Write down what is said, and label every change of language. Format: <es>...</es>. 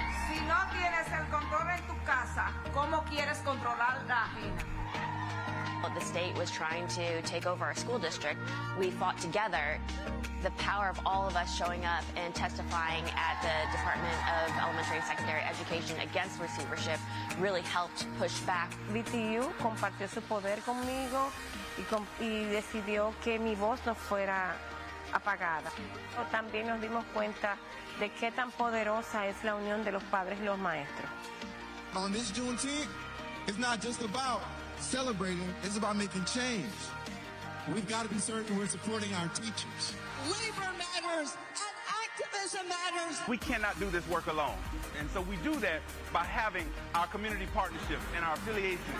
<es>Si no quieres el control en tu casa, ¿cómo quieres controlar la ajena?</es> <en>The state was trying to take over our school district. We fought together. The power of all of us showing up and testifying at the Department of Elementary and Secondary Education against receivership really helped push back.</en> <es>VTU compartió su poder conmigo y decidió que mi voz no fuera apagada. También nos dimos cuenta de qué tan poderosa es la unión de los padres y los maestros.</es> <en>On this Juneteenth, it's not just about celebrating, it's about making change. We've got to be certain we're supporting our teachers. Labor matters, and I activism matters. We cannot do this work alone. And so we do that by having our community partnerships and our affiliations.</en>